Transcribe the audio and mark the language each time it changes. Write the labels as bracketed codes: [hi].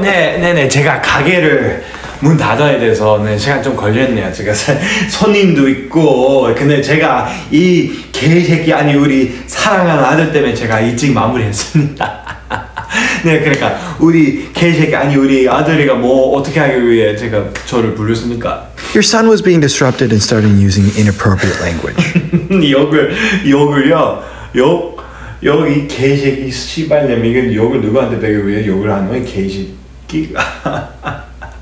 [ko] 네, 제가 가게를 문 닫아야 돼서 네, 시간 좀 걸렸네요. 제가 손님도 있고 근데 제가 이 개새끼 아니 우리 사랑하는 아들 때문에 제가 일찍 마무리했습니다. 네 그러니까 우리 개새끼 아니 우리 아들이가 뭐 어떻게 하기 위해 제가 저를 부르셨습니까? [en] Your son was being disrupted and started using inappropriate language. [ko] 욕을요? 욕? 욕 이 개새끼 씨발냄 이건 욕을 누구한테 배기 위해 욕을 하는 거야 개새끼가?